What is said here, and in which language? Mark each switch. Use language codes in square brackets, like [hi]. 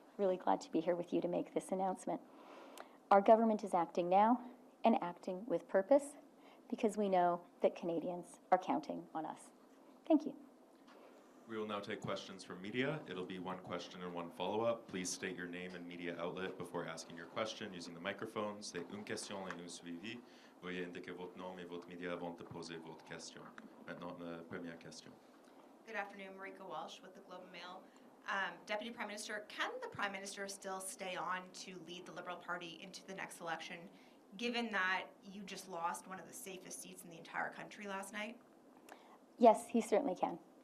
[en] Really glad to be here with you to make this announcement. Our government is acting now and acting with purpose because we know that Canadians are counting on us. Thank you. We will now take questions from media. It'll be one question and one follow-up. Please state your name and media outlet before asking your question using the microphone. [fr] C'est une question et une suivi. Veuillez indiquer votre nom et votre média avant de poser votre question. Maintenant, la première question. [en] Good afternoon, Marika Walsh with the Globe and Mail. Deputy Prime Minister, can the Prime Minister still stay on to lead the Liberal Party into the next election, given that you just lost one of the safest seats in the entire country last night? Yes, he certainly can.